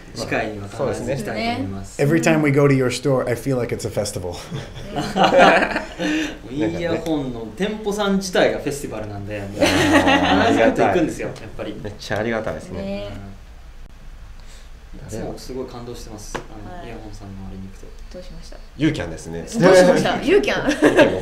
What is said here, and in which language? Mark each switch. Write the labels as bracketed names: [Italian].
[Japanese] 会には必ず行きたいと思います。 [English] Every time we go to your store, I feel like it's a festival. [Japanese] イヤホンの店舗さん自体がフェスティバルなんで、必ず行くんですよ、やっぱり。めっちゃありがたいですね。いつもすごい感動してます、あの、はい、イヤホンさんのあれに行くと。どうしました？ユーキャンですね。どうしました？ユーキャン